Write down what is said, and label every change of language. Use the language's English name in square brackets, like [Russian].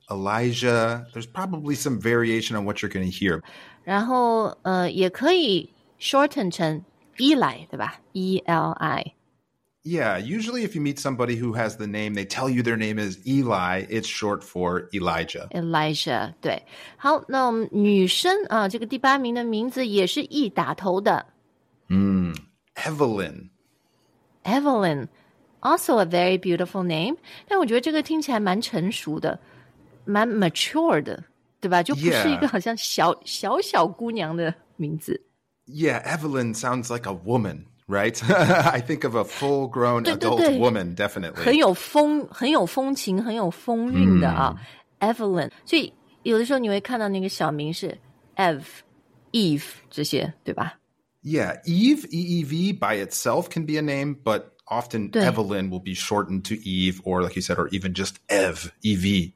[English] Elijah, there's probably some variation on what you're going to hear. [Chinese] 然后也可以 shorten 成 Eli, 对吧? [English] E-L-I. Yeah, usually if you meet somebody who has the name, they tell you their name is Eli, it's short for Elijah. [Chinese] Elijah, 对。好,那女生啊,这个第八名的名字也是 E 打头的。 [English] Evelyn. Evelyn, also a very beautiful name. [Chinese] 但我觉得这个听起来蛮成熟的。蛮 mature 的，对吧？就不是一个好像小、小小姑娘的名字。 [English] Yeah, Evelyn sounds like a woman, right? I think of a full-grown adult woman, definitely. [Chinese] 很有风情，很有风韵的啊。Evelyn. 所以有的时候你会看到那个小名是 Eve 这些，对吧？ [English] Yeah, Eve, E-E-V by itself can be a name, but... Often Evelyn will be shortened to Eve, or like you said, or even just Ev, E-V.